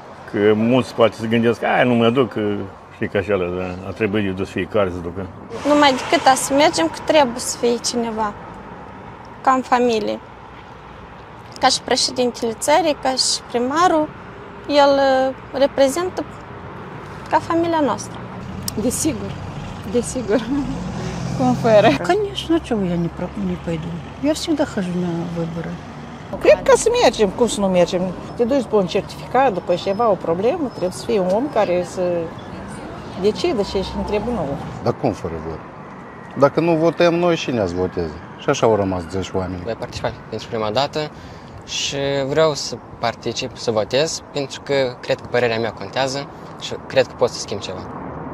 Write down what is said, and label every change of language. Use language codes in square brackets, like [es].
[ro] Că mulți poate să gândesc, aia nu mă duc, știi că așa, dar a trebuit de dus fiecare să ducă. Numai decât a să mergem, că trebuie să fie cineva, ca în familie. Ca și președintele țării, ca și primarul, el reprezintă ca familia noastră. Desigur, desigur. Cum fără? [ru] Конечно, чего я не пойду. Я всегда хожу на выборы. [ro] Cred că să mergem, cum să nu mergem? Te duci pe un certificat, după ceva, o problemă, trebuie să fie un om care să decide ce își întrebă nouă. Dar cum fără vot? Dacă nu votăm noi, cine ați voteze? Și așa au rămas 10 oameni. Voi participa pentru prima dată și vreau să particip, să votez, pentru că cred că părerea mea contează și cred că pot să schimb ceva.